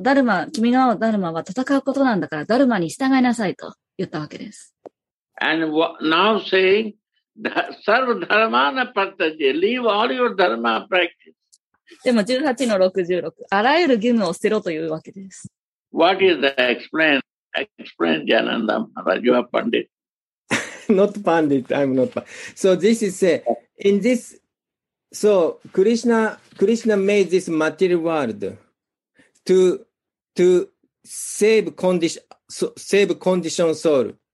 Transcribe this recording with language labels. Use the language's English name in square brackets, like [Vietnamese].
[Japanese] ダルマ、君が会うダルマは戦うことなんだから、ダルマに従いなさいと言ったわけです。 [English] And now saying, [Sanskrit] serve dharma na pratyaje, [English] leave all your dharma practice. [Japanese] でも18の66、あらゆる義務を捨てろというわけです。 [English] What is the explain, Jananda Maharaj, you are Pandit. Not Pandit, I'm not Pandit. So this is in this, so Krishna made this material world to save conditioned soul.